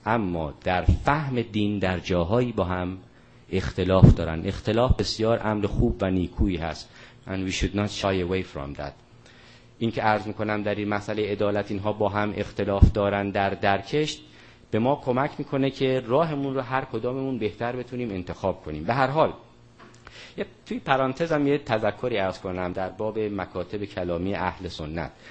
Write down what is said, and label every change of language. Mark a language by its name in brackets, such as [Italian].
[Persian] اما در فهم دین در جاهایی با هم اختلاف دارند. اختلاف بسیار امر خوب و نیکویی هست. [English] And we should not shy away from that. [Persian] این که عرض میکنم در این مسئله عدالت اینها با هم اختلاف دارند در درکش، به ما کمک میکنه که راهمون رو هر کداممون بهتر بتونیم انتخاب کنیم. به هر حال توی پرانتزم یه تذکری عرض کنم در باب مکاتب کلامی اهل سنت.